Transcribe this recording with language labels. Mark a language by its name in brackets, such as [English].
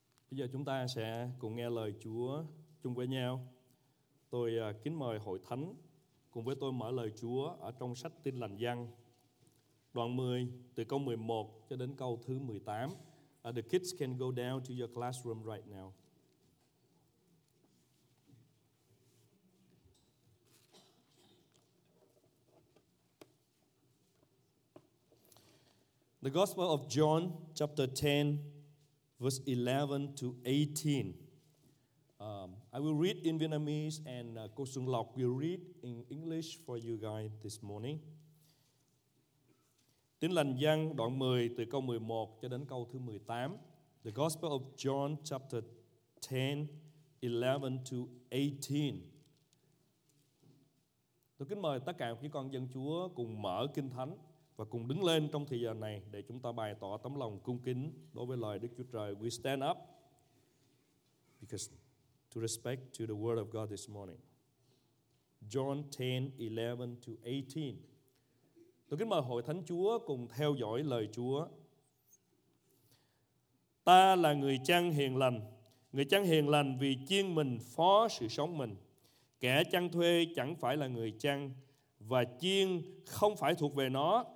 [Vietnamese] Bây giờ chúng ta sẽ cùng nghe lời Chúa chung với nhau. Tôi kính mời Hội Thánh cùng với tôi mở lời Chúa ở trong sách Tin Lành Giăng, đoạn 10, từ câu 11 cho đến câu thứ 18. [English] The kids can go down to your classroom right now. The Gospel of John, chapter 10, verse 11 to 18. I will read in Vietnamese, and Cô Xuân Lộc will read in English for you guys this morning. [Vietnamese] Tin Lành Giăng, đoạn 10, từ câu 11 cho đến câu thứ 18. [English] The Gospel of John, chapter 10, 11 to 18. [Vietnamese] Tôi kính mời tất cả quý con dân Chúa cùng mở Kinh Thánh và cùng đứng lên trong thời giờ này để chúng ta bày tỏ tấm lòng cung kính đối với lời Đức Chúa Trời. [English] We stand up because to respect to the word of God this morning. John 10, 11 to 18. [Vietnamese] Tôi kính mời Hội Thánh Chúa cùng theo dõi lời Chúa. Ta là người chăn hiền lành. Người chăn hiền lành vì chiên mình phó sự sống mình. Kẻ chăn thuê chẳng phải là người chăn, và chiên không phải thuộc về nó.